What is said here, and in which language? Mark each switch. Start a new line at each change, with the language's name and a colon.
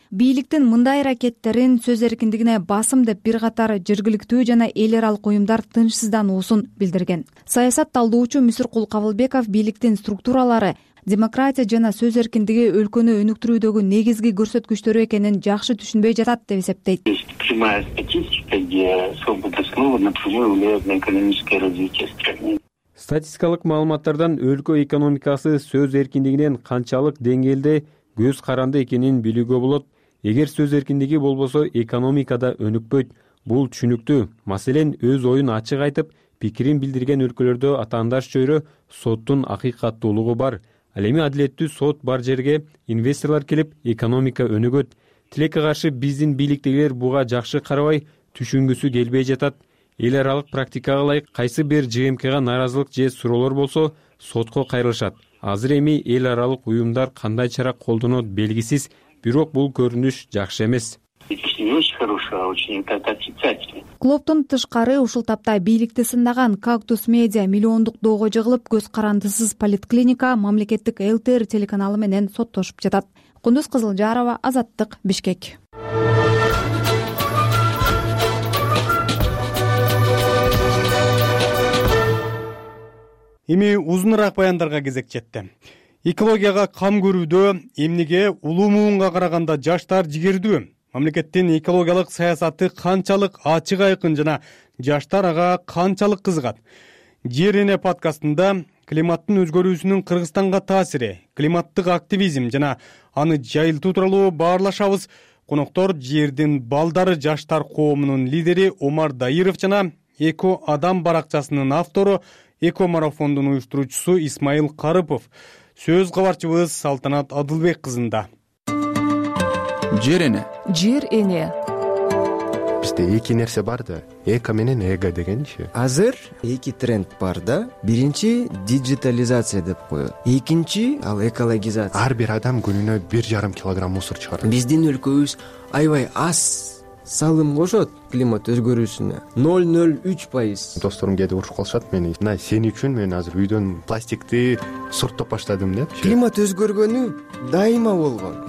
Kyrgyz: Бийликтин мындай аракеттерин сөз эркиндигине басым деп бир катар жергиликтүү жана эл аралык уюмдар тынчсыздануусун билдирген. Саясат талдоочу Мүсүркул Кабылбеков бийликтин структуралары демократия жана сөз эркиндиги өлкөнү өнүктүрүүдөгү негизги көрсөткүчтөрү экенин жакшы түшүнбөй жатат деп эсептейт.
Russian: Прямая статистика, где свобода слова напрямую влияет на экономическое развитие страны.
Kyrgyz: Статистикалык маалыматтардан өлкө экономикасы сөз эркиндигинен канчалык деңгээлде көз каранды экенин билүүгө болот. Эгер сөз эркиндиги болбосо, экономика да өнүкпөйт. Бул түшүнүктүү. Маселен, өз оюн ачык айтып, пикирин билдирген өлкөлөрдө атаандаш чөйрө соттун акыйкаттуулугу бар. Ал эми адилеттүү сот бар жерге инвесторлор келип, экономика өнүгөт. Тилекке каршы биздин бийликтегилер буга жакшы карабай, түшүнгүсү келбей жатат. Эл аралык практикага ылайык, кайсы бир ЖМКга нааразылык же суроолор болсо, сотко кайрылышат. Азыр эми эл аралык уюмдар кандай чара колдонот белгисиз, бирок бул көрүнүш жакшы эмес. Клубтун тышкары ушул тапта бийликти сындаган Кактус Медиа миллиондук доого жыгылып, көз карандысыз поликлиника мамлекеттик ЛТР телеканалы менен соттошуп жатат. Кундуз Кызылжарова, Азаттык, Бишкек. Эми узунураак баяндарга кезек жетти. Экологияга кам көрүүдө эмнеге улуу муунга караганда жаштар жигердүү? Мамлекеттин экологиялык саясаты канчалык ачык айкын жана жаштар ага канчалык кызыгат? Жер эне подкастында климаттын өзгөрүүсүнүн Кыргызстанга таасири, климаттык активизм жана аны жайылтуу тууралуу баарлашабыз. Коноктор жердин балдары жаштар коомунун лидери Омар Даиров жана Эко Адам баракчасынын автору, Экомарафондун уюштуруучусу Исмаил Карыпов. Сөз кабарчыбыз Салтанат Адылбек кызында. Жер эне. Жер эне. Бизде эки нерсе бар да, эко менен эго дегенчи. Азыр эки тренд бар да. Биринчи диджитализация деп коёт. Экинчи ал экологизация. Ар бир адам күнүнө 1.5 килограмм мусор чыгарат. Биздин өлкөбүз аябай аз салым кошот климат өзгөрүүсүнө. 0.03%. Досторум кээде урушуп калышат мени. Мына сен үчүн мен азыр үйдөн пластикти сурттоп баштадым деп. Климат өзгөргөнү дайыма болгон.